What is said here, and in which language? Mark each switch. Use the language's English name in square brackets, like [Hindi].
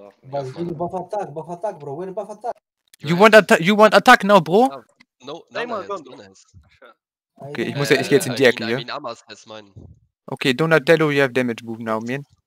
[English] Was will buff attack, bro, where buff attack? You want attack now, bro? No, Gondo. [German] Okay, ich geh jetzt in die Ecke hier. [English] Okay, Donatello, you have damage move now, man.